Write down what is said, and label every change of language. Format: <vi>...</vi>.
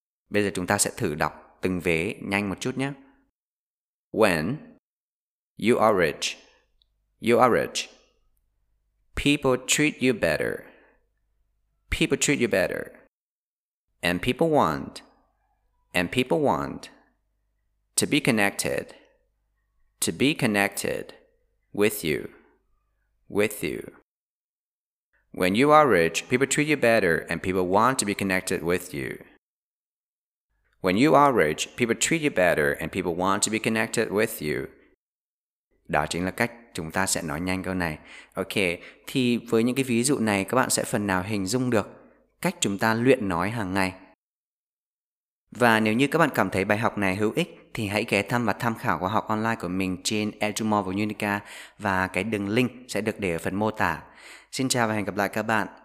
<vi>Bây giờ chúng ta sẽ thử đọc từng vế nhanh một chút nhé.</vi> <en>When you are rich, you are rich. People treat you better, people treat you better. And people want, and people want. To be connected, to be connected. With you, with you. When you are rich, people treat you better, and people want to be connected with you. When you are rich, people treat you better and people want to be connected with you.</en> <vi>Đó chính là cách chúng ta sẽ nói nhanh câu này. Ok, thì với những cái ví dụ này các bạn sẽ phần nào hình dung được cách chúng ta luyện nói hàng ngày. Và nếu như các bạn cảm thấy bài học này hữu ích thì hãy ghé thăm và tham khảo khóa học online của mình trên edumore.unica và cái đường link sẽ được để ở phần mô tả. Xin chào và hẹn gặp lại các bạn.</vi>